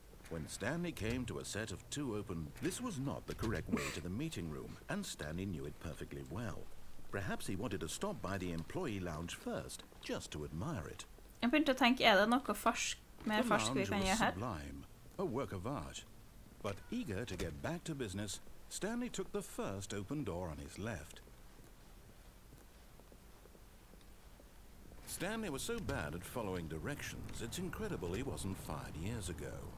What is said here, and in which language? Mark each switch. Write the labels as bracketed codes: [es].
[en] When Stanley came to a set of two open, this was not the correct way to the meeting room, and Stanley knew it perfectly well. Perhaps he wanted to stop by the employee lounge first, just to admire it. [no] Jeg begynte å tenke, det noe mer farsk vi kan gjøre her? [en] Sublime, a work of art. But eager to get back to business, Stanley took the first open door on his left. Stanley was so bad at following directions, it's incredible he wasn't 5 years ago.